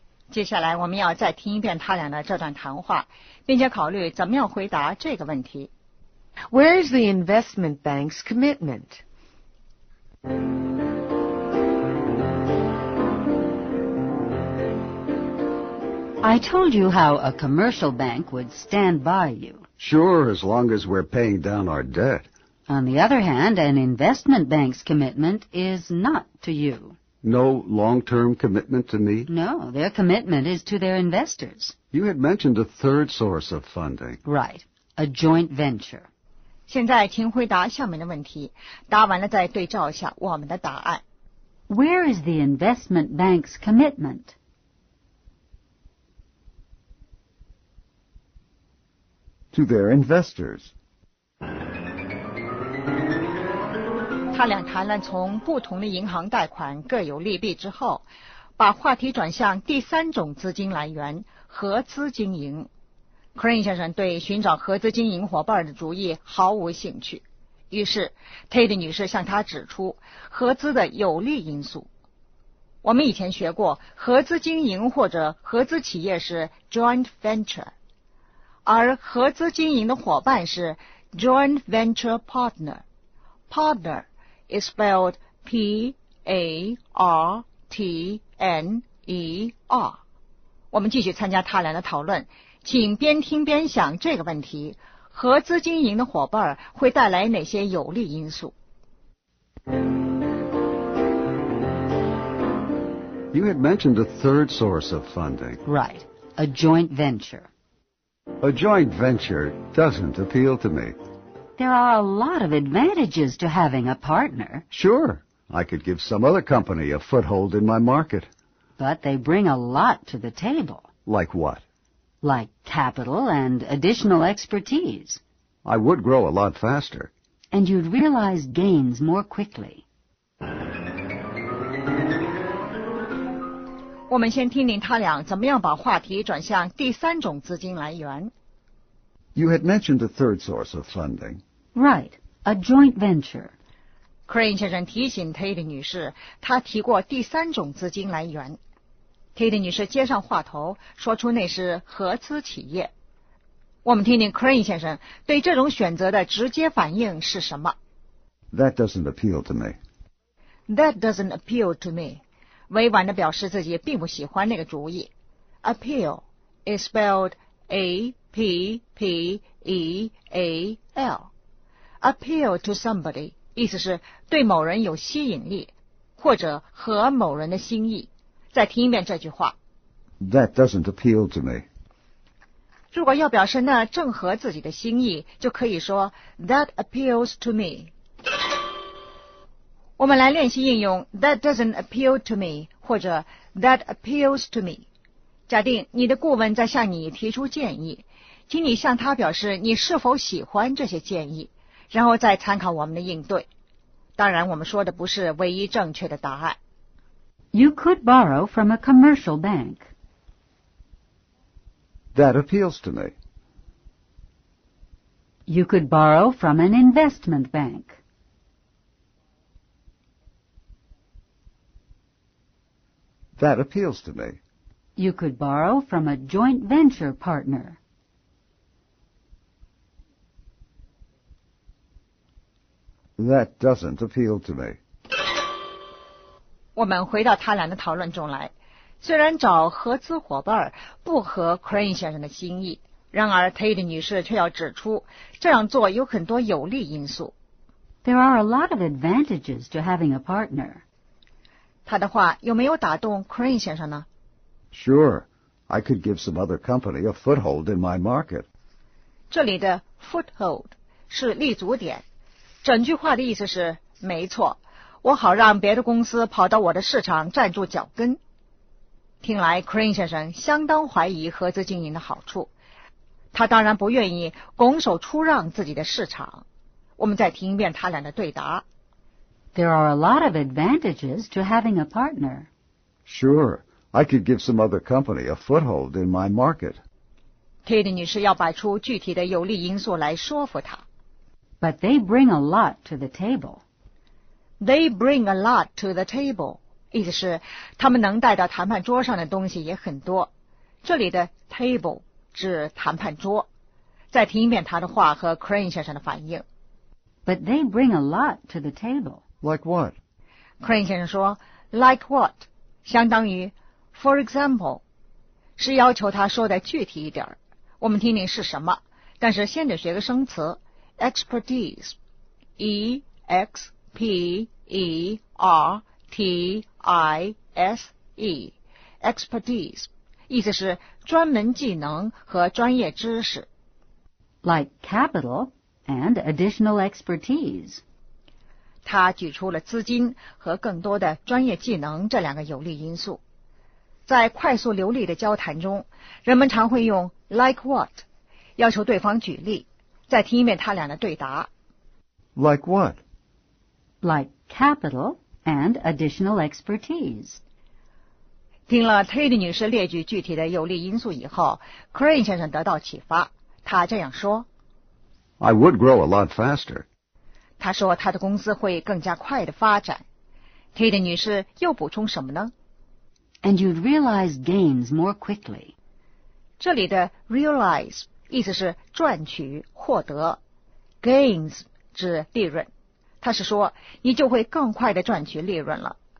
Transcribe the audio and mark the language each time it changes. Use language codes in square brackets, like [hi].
[zh] 接下来我们要再听一遍他俩的这段谈话，并且考虑怎么样回答这个问题。 [en] Where is the investment bank's commitment? I told you how a commercial bank would stand by you. Sure, as long as we're paying down our debt. On the other hand, an investment bank's commitment is not to you. No long-term commitment to me? No, their commitment is to their investors. You had mentioned a third source of funding. Right, a joint venture. [zh] 现在请回答下面的问题，答完了再对照一下我们的答案。 [en] Where is the investment bank's commitment? To their investors. [zh] 他俩谈了从不同的银行贷款各有利弊之后，把话题转向第三种资金来源——合资经营。 Crane 先生对寻找合资经营伙伴的主意毫无兴趣，于是 Tate 女士向他指出合资的有利因素。我们以前学过，合资经营或者合资企业是 joint venture， 而合资经营的伙伴是 joint venture partner。 [en] Partner is spelled P-A-R-T-N-E-R. [zh] 我们继续参加他俩的讨论，请边听边想这个问题：合资经营的伙伴会带来哪些有利因素 [en] ？You had mentioned a third source of funding. Right, a joint venture. A joint venture doesn't appeal to me. There are a lot of advantages to having a partner. Sure, I could give some other company a foothold in my market. But they bring a lot to the table. Like what? Like capital and additional expertise. I would grow a lot faster. And you'd realize gains more quickly. [zh] 我们先听听他俩怎么样把话题转向第三种资金来源。 [en] You had mentioned a third source of funding. Right, a joint venture. [zh] Crane 先生提醒 Tate 女士，她提过第三种资金来源。 Tate 女士接上话头，说出那是合资企业。我们听听 Crane 先生对这种选择的直接反应是什么。 [en] That doesn't appeal to me. That doesn't appeal to me. [zh] 委婉地表示自己并不喜欢那个主意。 [en] Appeal is spelled A. P-P-E-A-L. Appeal to somebody, [zh] 意思是对某人有吸引力，或者合某人的心意。再听一遍这句话。 [en] That doesn't appeal to me. [zh] 如果要表示那正合自己的心意，就可以说 [en] That appeals to me. [zh] 我们来练习应用 [en] That doesn't appeal to me, [zh] 或者 [en] That appeals to me. [zh] 假定你的顾问在向你提出建议。请你向他表示你是否喜欢这些建议，然后再参考我们的应对。当然，我们说的不是唯一正确的答案。 [en] You could borrow from a commercial bank. That appeals to me. You could borrow from an investment bank. That appeals to me. You could borrow from a joint venture partner. That doesn't appeal to me. [zh] 我们回到贪婪的讨论中来。虽然找合资伙伴不合 Crane 先生的心意，然而 Tate 女士却要指出，这样做有很多有利因素。 [en] There are a lot of advantages to having a partner. [zh] 她的话有没有打动 Crane 先生呢？ [en] Sure, I could give some other company a foothold in my market. [zh] 这里的 foothold 是立足点，整句话的意思是，没错，我好让别的公司跑到我的市场站住脚跟。听来 Crane 先生相当怀疑合资经营的好处，他当然不愿意拱手出让自己的市场。我们再听一遍他俩的对答。 [en] There are a lot of advantages to having a partner. Sure, I could give some other company a foothold in my market. [zh] Kate 女士要摆出具体的有利因素来说服他。 [en] But they bring a lot to the table. They bring a lot to the table. [zh] 意思是他们能带到谈判桌上的东西也很多。这里的 table 指谈判桌。再听一遍他的话和 Crane 先生的反应。 [en] But they bring a lot to the table. Like what? [zh] Crane 先生说 [en] like what [zh] 相当于 [en] for example [zh] 是要求他说的具体一点。我们听听是什么，但是先得学个生词 expertise EXPERTISE, expertise, 意思是专门技能和专业知识。 [en] Like capital and additional expertise. [zh] 他举出了资金和更多的专业技能这两个有利因素。在快速流利的交谈中，人们常会用 [en] like what, [zh] 要求对方举例。再听一遍他俩的对答。 [en] Like what? Like capital. And additional expertise. [zh] 听了 Tate 女士列举具体的有利因素以后， Crane 先生得到启发，他这样说： [en] I would grow a lot faster. [zh] 他说他的公司会更加快地发展。Tate 女士又补充什么呢？ [en] And you'd realize gains more quickly. [zh] 这里的 realize 意思是赚取、获得， gains 指利润。他是说你就会更快地赚取利润了。